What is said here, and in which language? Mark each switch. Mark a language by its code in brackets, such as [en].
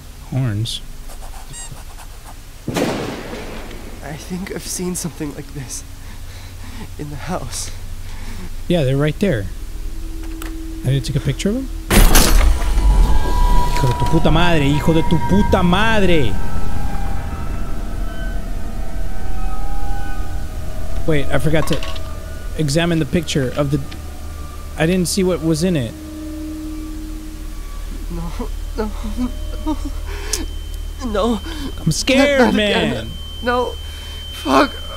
[en] Horns? I think I've seen something like this in the house. Yeah, they're right there. I need to take a picture of them? [es] Hijo de tu puta madre, hijo de tu puta madre! [en] Wait, I forgot to examine the picture of the... I didn't see what was in it. No, no, no. No. I'm scared, not man. Again. No, fuck.